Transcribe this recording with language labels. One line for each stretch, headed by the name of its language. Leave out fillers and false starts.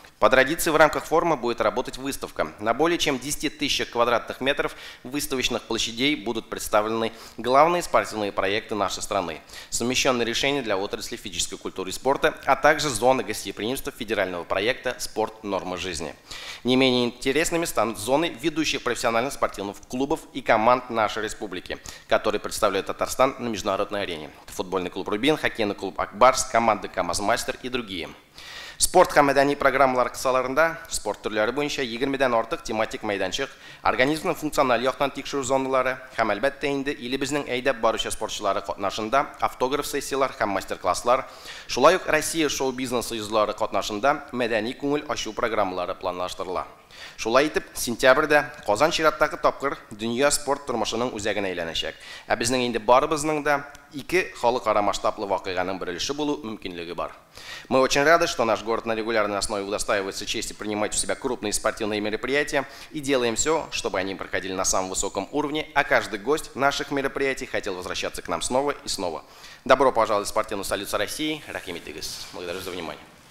Russian: По традиции в рамках форума будет работать выставка. На более чем 10 тысячах квадратных метров выставочных площадей будут представлены главные спортивные проекты нашей страны, совмещенные решения для отрасли физической культуры и спорта, а также зоны гостеприимства федерального проекта «Спорт. Норма жизни». Не менее интересными станут зоны ведущих профессиональных спортивных клубов и команд нашей республики, которые представляют Татарстан на международной арене. Это футбольный клуб «Рубин», хоккейный клуб «Акбарс», команды «КамАЗ-Мастер» и другие.
Tatar: Спорт һәм мәдәни программалар кысаларында спорт төрләре буенча 20-дән артык тематик мәйданчык, организмның функциональ яктан тикшерү зоналары һәм әлбәттә инде илебезнең әйдәп баручы спортчылары катнашында автограф сессиялар һәм мастер-класслар, шулай ук Россия шоу-бизнесы йөзләре катнашында мәдәни күңел ачу программалары планлаштырыла. Шулай итеп, сентябрьдә Казан чираттагы тапкыр дөнья спорт тормышының үзәгенә әйләнәчәк. Ә безнең инде барыбызның да ике халыкара масштаблы вакыйганың бер өлеше булу мөмкинлеге бар.
Russian: Мы очень рады, что наш город на регулярной основе удостаивается чести принимать у себя крупные спортивные мероприятия и делаем все, чтобы они проходили на самом высоком уровне, а каждый гость наших мероприятий хотел возвращаться к нам снова и снова. Добро пожаловать в спортивную столицу России.
Tatar: Рахим Итигис.
Russian: Благодарю за внимание.